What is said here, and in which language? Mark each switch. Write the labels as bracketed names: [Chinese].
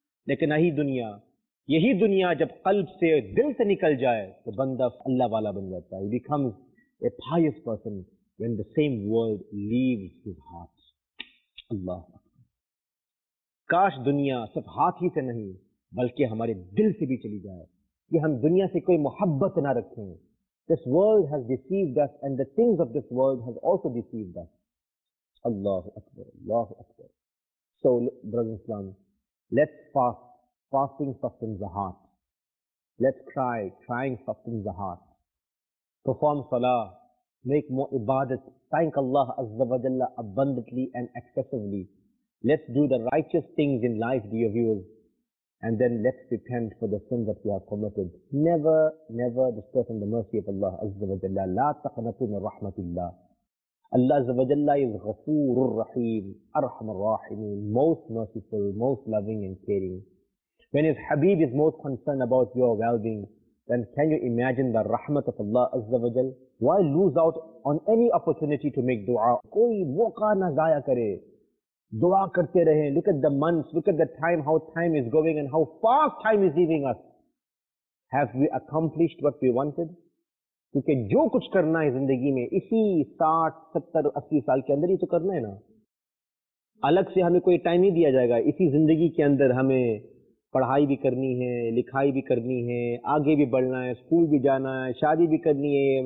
[Urdu] لیکن نہیں دنیا, یہی دنیا جب قلب سے دل سے نکل جائے تو بندہ اللہ والا بن جاتا ہے. [English] He becomes a pious person when the same world leaves his heart. [Urdu] اللہ کاش دنیا صرف ہاتھ ہی سے نہیں بلکہ ہمارے دل سے بھی چلی جائے, کہ ہم دنیا سے کوئی محبت نہ رکھیں. [English] This world has deceived us and the things of this world has also deceived us. Allahu Akbar, Allahu Akbar. So, brothers and sisters, let's fast. Fasting softens the heart. Let's cry. Crying softens the heart. Perform salah. Make more ibadat. Thank Allah Azza wa Jalla abundantly and excessively. Let's do the righteous things in life, dear viewers. And then let's repent for the sins that we have committed. Never, never disturb from the mercy of Allah Azza wa Jalla. [Arabic] La taqnatu min rahmatillah. [English] Allah Azza wa Jalla is Ghafoorur Raheem, Arhamar Rahimeen, most merciful, most loving and caring. When his Habib is most concerned about your well-being, then can you imagine the rahmat of Allah Azza wa Jalla? Why lose out on any opportunity to make dua? [Urdu] Koi mauka na zaya kare. Dua karte rahe. [English] Look at the months, look at the time, how time is going and how fast time is leaving us. Have we accomplished what we wanted? [Urdu] کیونکہ جو کچھ کرنا ہے زندگی میں اسی 60-70-80 سال کے اندر ہی تو کرنا ہے نا. الگ سے ہمیں کوئی ٹائم نہیں دیا جائے گا, اسی زندگی کے اندر ہمیں پڑھائی بھی کرنی ہے, لکھائی بھی کرنی ہے, آگے بھی بڑھنا ہے, اسکول بھی جانا ہے, شادی بھی کرنی ہے.